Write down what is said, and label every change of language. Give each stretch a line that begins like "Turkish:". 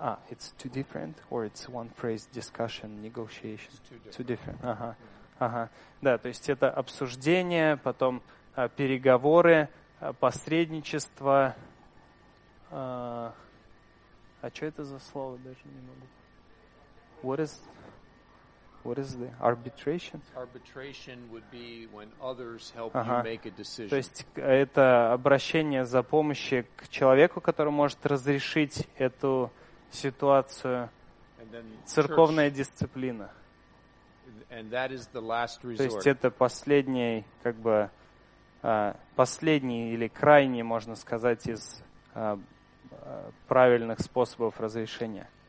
English: It's two different, or it's one phrase, discussion, negotiation. It's two different. Two different.
Russian: Да, то есть это обсуждение, потом переговоры, посредничество. А что это за слово? Даже не могу.
English: What is What is the arbitration? Arbitration would be when others help you make a decision.
Russian: То есть это обращение за помощью к человеку, который может разрешить эту ситуацию. Церковная дисциплина.
English: And that is the last resort.
Russian: То есть это последний, как бы, последний или крайний, можно сказать, из правильных способов разрешения.